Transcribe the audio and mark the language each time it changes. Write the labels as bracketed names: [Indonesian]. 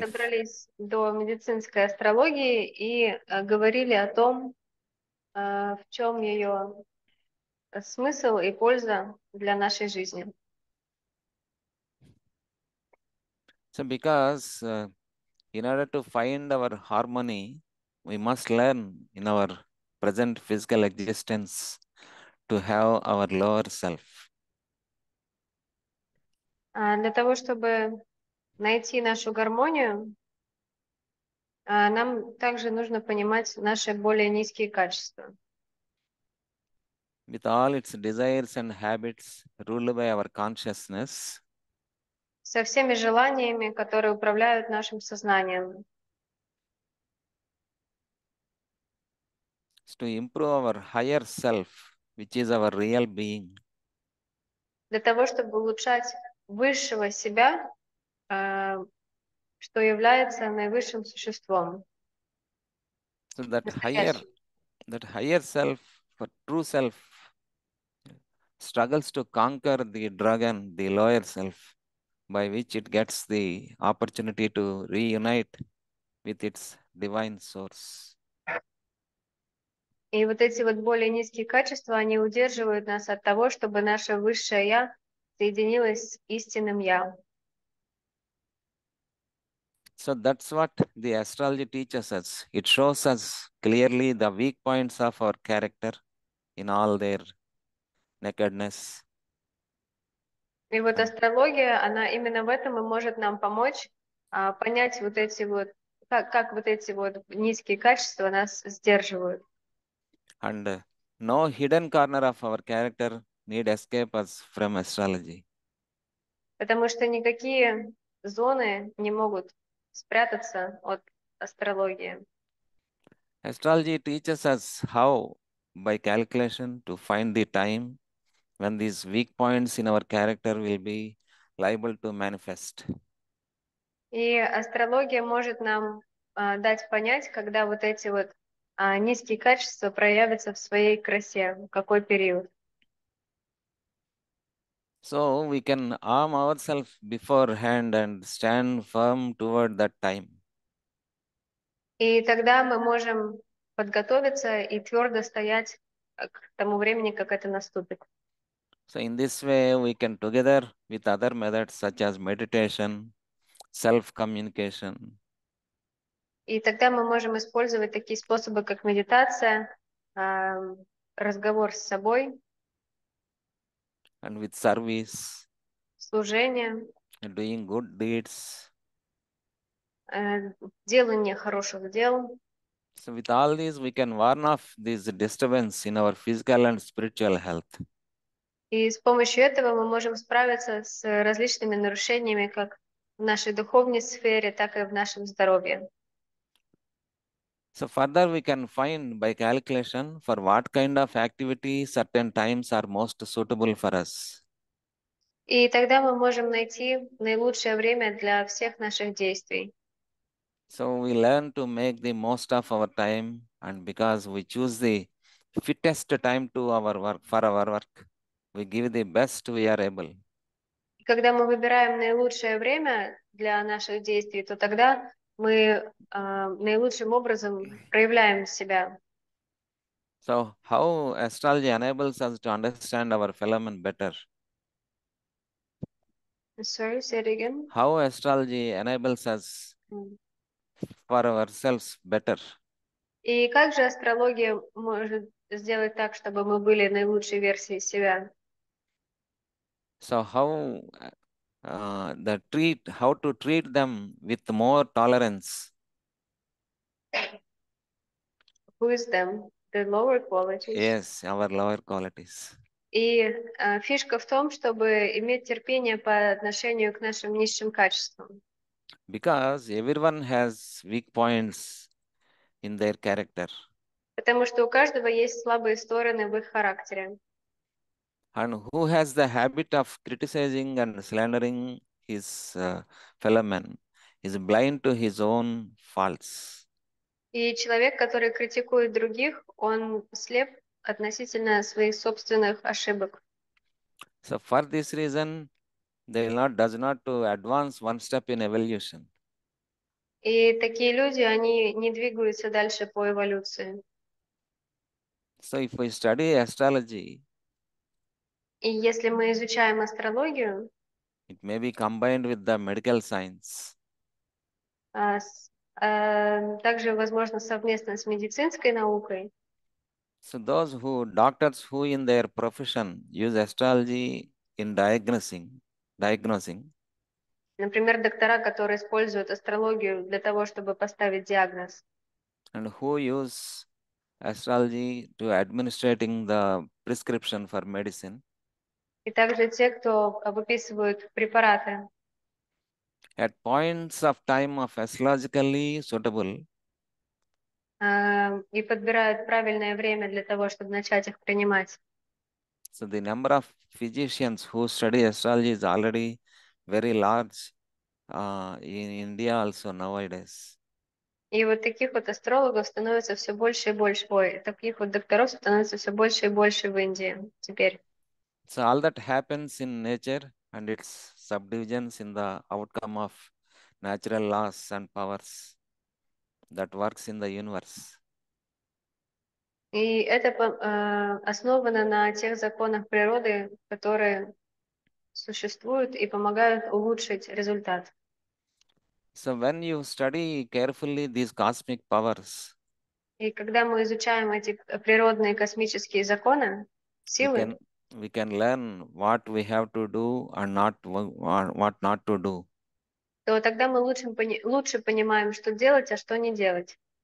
[Russian] добрались до медицинской астрологии и говорили о том, в чем ее смысл и польза для нашей жизни. [English] So because in order to find our harmony, we must learn in our present physical existence to have our lower self. [Russian] А для того, чтобы найти нашу гармонию, нам также нужно понимать наши более низкие качества. [English] With all its desires and habits ruled by our consciousness, [Russian] Со всеми желаниями, которые управляют нашим сознанием. [English] is to improve our higher self, which is our real being. [Russian] Для того, чтобы улучшать высшего себя, что является наивысшим существом, [English] So that [Russian] настоящим. [English] higher self, for true self, struggles to conquer the dragon, the lower self, by which it gets the opportunity to reunite with its divine source. [Russian] И вот эти вот более низкие качества, они удерживают нас от того, чтобы наше высшее я соединилась с истинным я. [English] So that's what the astrology teaches us. It shows us clearly the weak points of our character in all their nakedness. [Russian] И вот астрология, она именно в этом и может нам помочь, понять вот эти вот, как вот эти вот низкие качества нас сдерживают. [English] And no hidden corner of our character need escape us from astrology. [Russian] Потому что никакие зоны не могут спрятаться от астрологии. [English] Astrology teaches us how by calculation to find the time when these weak points in our character will be liable to manifest. [Russian] И астрология может нам дать понять, когда вот эти вот низкие качества проявятся в своей красе, в какой период. [English] So we can arm ourselves beforehand and stand firm toward that time. [Russian] И тогда мы можем подготовиться и твердо стоять к тому времени, как это наступит. [English] So in this way, we can together with other methods such as meditation, self-communication, [Russian] И тогда мы можем использовать такие способы, как медитация, разговор с собой, [English] And with service, [Russian] служение, [English] doing good deeds. [Russian] делание хороших дел. [English] So with all these, we can warn off these disturbances in our physical and spiritual health. [Russian] И с помощью этого мы можем справиться с различными нарушениями как в нашей духовной сфере, так и в нашем здоровье. [English] So further, we can find by calculation for what kind of activity certain times are most suitable for us. [Russian] И тогда мы можем найти наилучшее время для всех наших действий. [English] So we learn to make the most of our time, and because we choose the fittest time to our work, for our work, we give the best we are able. [Russian] Когда мы выбираем наилучшее время для наших действий, то тогда мы наилучшим образом проявляем себя. [English] So how astrology enables us to understand our phenomenon better? Sorry, say it again. How astrology enables us for ourselves better? [Russian] И как же астрология может сделать так, чтобы мы были наилучшей версией себя? [English] So how how to treat them with more tolerance? Who is them? The lower qualities. Yes, our lower qualities. [Russian] И фишка в том, чтобы иметь терпение по отношению к нашим низшим качествам. [English] Because everyone has weak points in their character. [Russian] Потому что у каждого есть слабые стороны в их характере. [English] And who has the habit of criticizing and slandering his fellow man is blind to his own faults. [Russian] И человек, который критикует других, он слеп относительно своих собственных ошибок. [English] So for this reason, they does not to advance one step in evolution. [Russian] И такие люди, они не двигаются дальше по эволюции. [English] So if we study astrology, [Russian] и если мы изучаем астрологию, [English] it may be combined with the medical science. [Russian] Также возможно совместно с медицинской наукой. [English] So those who doctors who in their profession use astrology in diagnosing. [Russian] Например, доктора, которые используют астрологию для того, чтобы поставить диагноз. [English] And who use astrology to administrating the prescription for medicine. [Russian] И также те, кто выписывают препараты. [English] At points of time of astrologically suitable. [Russian] И подбирают правильное время для того, чтобы начать их принимать. [English] So the number of physicians who study astrology is already very large in India also nowadays. [Russian] И вот таких вот астрологов становится все больше и больше, таких вот докторов становится все больше и больше в Индии теперь. [English] So all that happens in nature and its subdivisions in the outcome of natural laws and powers that works in the universe. [Russian] И это основано на тех законах природы, которые существуют и помогают улучшить результат. [English] So when you study carefully these cosmic powers, [Russian] и когда мы изучаем эти природные космические законы, силы, [English] we can learn what we have to do and not what not to do. [Russian] То тогда мы лучше понимаем, что делать, а что не делать.